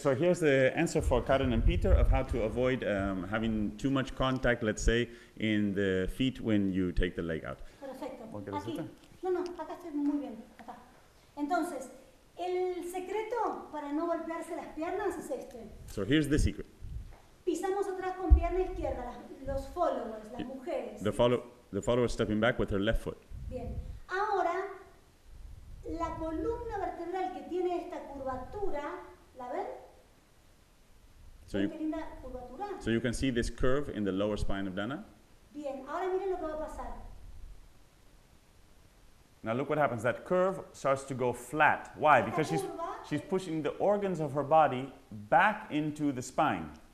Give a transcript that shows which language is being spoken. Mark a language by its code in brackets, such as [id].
[en] So here's the answer for Karen and Peter of how to avoid having too much contact, let's say, in the feet when you take the leg out. [es] Perfecto. Aquí. Acá estoy muy bien. Acá. Entonces, el secreto para no golpearse las piernas es este. [en] So here's the secret. [es] Pisamos atrás con pierna izquierda, los followers, las mujeres. [en] The follower stepping back with her left foot. [es] Bien. Ahora, la columna vertebral que tiene esta curvatura, ¿la ven? [en] So you can see this curve in the lower spine of Dana. [es] Bien. Ahora miren lo que va a pasar. [en] Now look what happens. That curve starts to go flat. Why? Because she's pushing the organs of her body back into the spine.